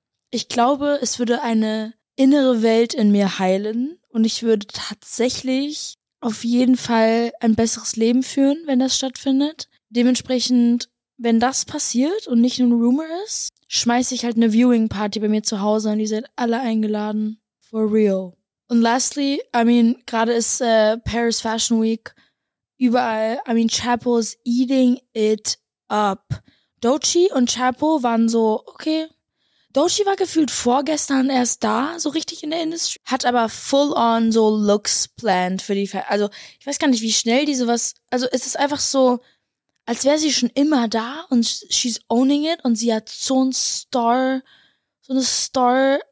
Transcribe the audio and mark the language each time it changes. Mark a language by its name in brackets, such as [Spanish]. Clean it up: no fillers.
[German] Ich glaube, es würde eine innere Welt in mir heilen und ich würde tatsächlich auf jeden Fall ein besseres Leben führen, wenn das stattfindet. Dementsprechend, wenn das passiert und nicht nur ein Rumor ist, schmeiße ich halt eine Viewing-Party bei mir zu Hause und die seid alle eingeladen. [English] For real. [German] Und [English] lastly, I mean, [German] gerade ist Paris Fashion Week überall. [English] I mean, Chapo is eating it up. [German] Doechii und Chapo waren so, okay. Doechii war gefühlt vorgestern erst da, so richtig in der Industry. Hat aber full on so Looks planned für die Also, ich weiß gar nicht, wie schnell die sowas. Also, es ist einfach so, als wäre sie schon immer da und [English] she's owning it [German] und sie hat so ein Star, so eine Star